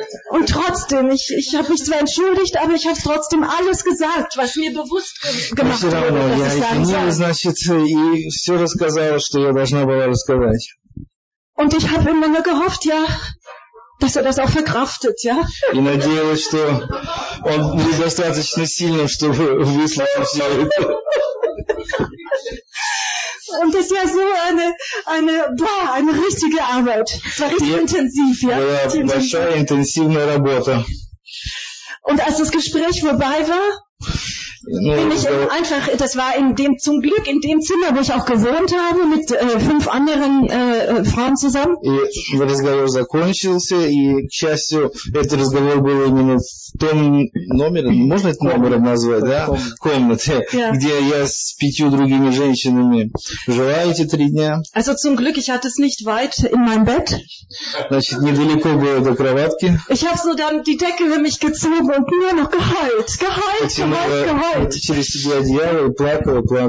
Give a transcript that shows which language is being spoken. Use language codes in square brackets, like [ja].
[de] Und trotzdem, ich habe mich zwar entschuldigt, aber ich habe trotzdem alles gesagt, was mir bewusst gemacht wurde, Und ich habe immer nur gehofft, ja, dass er das auch verkraftet, ja. [ru] И надеялась, что он недостаточно сильным, чтобы выслушать все это. [de] Und das war so eine richtige Arbeit. Es war richtig intensiv, ja. [ru] Большая интенсивная работа. [de] Und als das Gespräch vorbei war, das war in dem Zimmer, wo ich auch gewohnt habe, mit fünf anderen Frauen zusammen. [ru] И разговор закончился, и, к счастью, этот разговор был именно в том номере, можно это номером назвать, да, комнате, где я с пятью другими женщинами жила эти три дня. [de] Also zum Glück, ich hatte es nicht weit in mein Bett. [ru] Значит, недалеко было до кроватки. [de] Ich habe so dann die Decke für mich gezogen und nur noch geheult. [ru] Через себя одеяло, плакала.